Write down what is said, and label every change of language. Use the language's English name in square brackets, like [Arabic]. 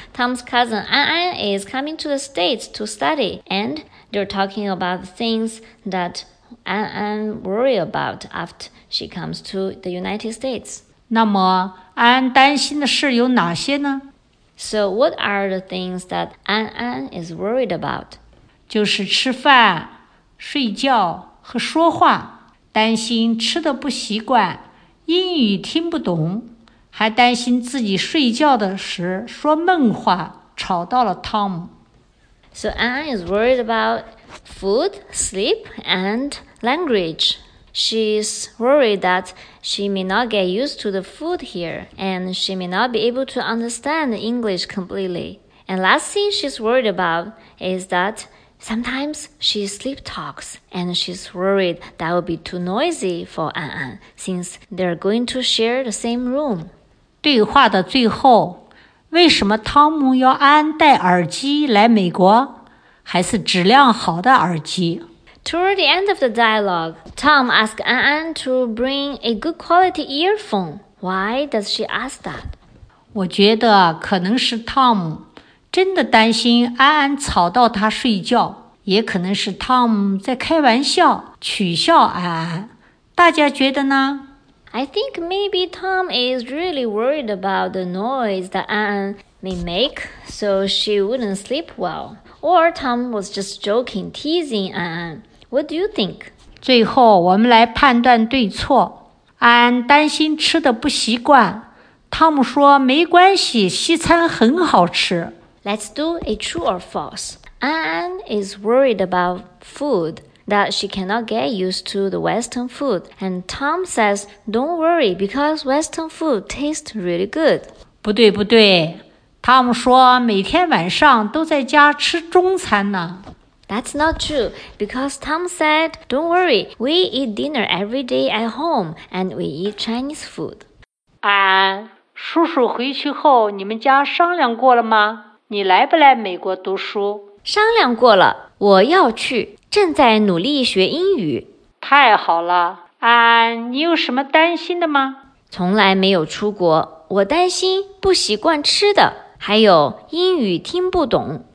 [English] Tom's cousin An An is coming to the States to study, and they're talking about things that An An worry about after she comes to the United States. [Chinese] 那么安安担心的事有哪些呢？ [English] So what are the things that An An is worried about? [Chinese] 就是吃饭、睡觉和说话，担心吃的不习惯，英语听不懂，还担心自己睡觉的时说梦话，吵到了 Tom. [English] So An An is worried about food, sleep, and language. She's worried that she may not get used to the food here, and she may not be able to understand English completely. And last thing she's worried about is that sometimes she sleep talks, and she's worried that would be too noisy for An An, since they're going to share the same room. [Chinese] 对话的最后，为什么汤姆要安安戴耳机来美国？还是质量好的耳机？ [English] Toward the end of the dialogue, Tom asks An An to bring a good quality earphone. Why does she ask that? [Chinese] 我觉得可能是 Tom 真的担心安安吵到他睡觉，也可能是 Tom 在开玩笑取笑安安。大家觉得呢？ [English] I think maybe Tom is really worried about the noise that An An may make, so she wouldn't sleep well. Or Tom was just joking, teasing An An. What do you think? [Chinese] 最后我们来判断对错。安安担心吃的不习惯。 Tom 说没关系，西餐很好吃。 [English] Let's do a true or false. An An is worried about food, that she cannot get used to the Western food. And Tom says, don't worry, because Western food tastes really good. [Chinese] 不对不对。 Tom 说每天晚上都在家吃中餐呢。 [English] That's not true, because Tom said, don't worry, we eat dinner every day at home, and we eat Chinese food. [Chinese] 安，叔叔回去后你们家商量过了吗？你来不来美国读书？商量过了，我要去，正在努力学英语。太好了，安，你有什么担心的吗？从来没有出国，我担心不习惯吃的。还有英语听不懂。